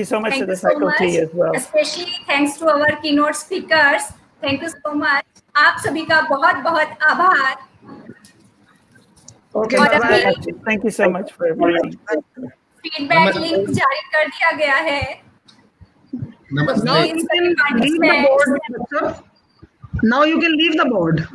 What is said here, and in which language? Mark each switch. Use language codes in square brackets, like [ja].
[en] Thank you so much to the faculty as well. Especially thanks to our keynote speakers. Thank you so much. [hi] Aap sabhi ka bahut bahut aabhaar. [en] Okay, bye-bye. Thank you so much for everything. [hi] Feedback link जारी कर दिया गया है. [en] Now you can leave the board.